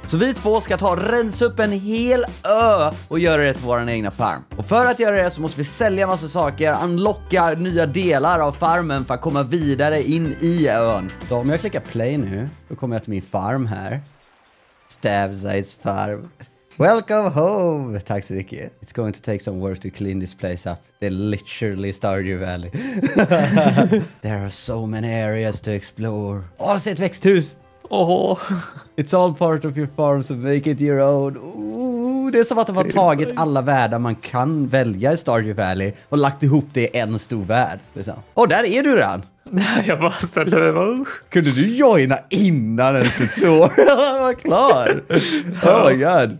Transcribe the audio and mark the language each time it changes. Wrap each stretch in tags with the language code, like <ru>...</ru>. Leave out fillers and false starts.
<sv>Så vi två ska ta rensa upp en hel ö och göra det till våran egna farm. Och för att göra det så måste vi sälja massa saker, unlocka nya delar av farmen för att komma vidare in i ön. Så om jag klickar play nu, då kommer jag till min farm här. Stavsides farm.</sv> <en>Welcome home!</en> <sv>Tack så mycket.</sv> <en>It's going to take some work to clean this place up. They literally Stardew Valley. There are so many areas to explore.</en> <sv>Åh, se ett växthus! Oho.</sv> <en>It's all part of your farm, so make it your own.</en> <sv>Ooh, det är som att de har tagit alla världar man kan välja i Stardew Valley och lagt ihop det i en stor värld. Liksom. Och där är du redan! Nej, jag bara ställde mig bara... Kunde du joina innan en tutorial var klar?</sv> <en>Oh my god.</en>